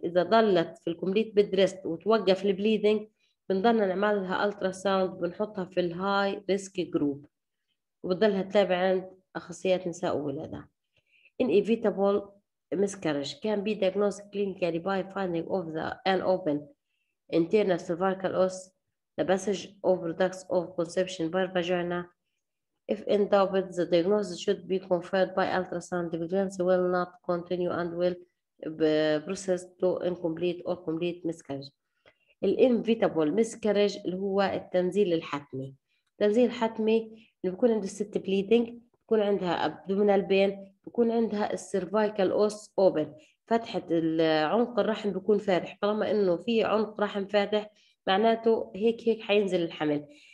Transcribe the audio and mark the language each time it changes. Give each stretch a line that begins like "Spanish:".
Arabic: اذا ضلت في
English: الكومبليت bed rest
Arabic: وتوقف البليدنج بنضلنا نعمل لها الترا ساوند، بنحطها في
English: الهاي risk group
Arabic: وبتضلها تتابع عند اخصائيات نساء وولاده.
English: An inevitable miscarriage can be diagnose clinically by finding of the an open internal cervical os the passage of products of conception by vagina. If in doubt, the diagnosis should be confirmed by ultrasound. The pregnancy will not continue and will process to incomplete or complete miscarriage. The inevitable miscarriage
Arabic: اللي هو التنزيل الحتمي. التنزيل الحتمي اللي بيكون عند الست bleeding، بيكون عندها
English: abdominal pain،
Arabic: بيكون عندها
English: cervical os open،
Arabic: فتحة عنق الرحم بيكون فاتح. طالما إنه في عنق رحم فاتح معناته هيك حينزل الحمل.